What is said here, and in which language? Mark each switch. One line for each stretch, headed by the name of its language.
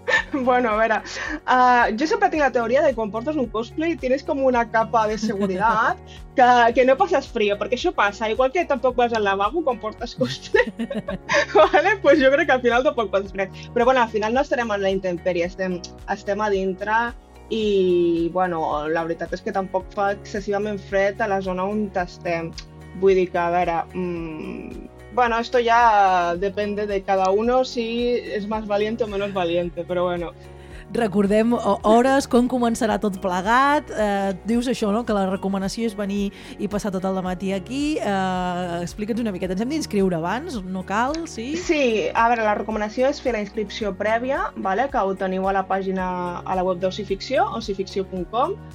Catalan: Bueno, a veure, jo sempre tinc la teoria de que quan portes un cosplay tienes com una capa de seguretat que no passes frío, perquè això passa, igual que tampoc vas al lavabo quan portes cosplay, vale? Pues jo crec que al final tampoc passes fred. Però bueno, al final no estarem en la intempèrie, estem a dintre i bueno, la veritat és que tampoc fa excessivament fred a la zona on estem. Vull dir que, a veure,
Spanish: bueno, esto ya depende de cada uno si es más valiente o menos valiente, pero bueno.
Catalan: Recordem hores, com començarà tot plegat. Dius això, no?, que la recomanació és venir i passar tot el dematí aquí. Explica'ns una miqueta. Ens hem d'inscriure abans? No cal? Sí? Sí. A veure, la recomanació és fer la inscripció prèvia, vale?, que ho teniu a la pàgina, a la web d'Oci Ficció, ocificció.com.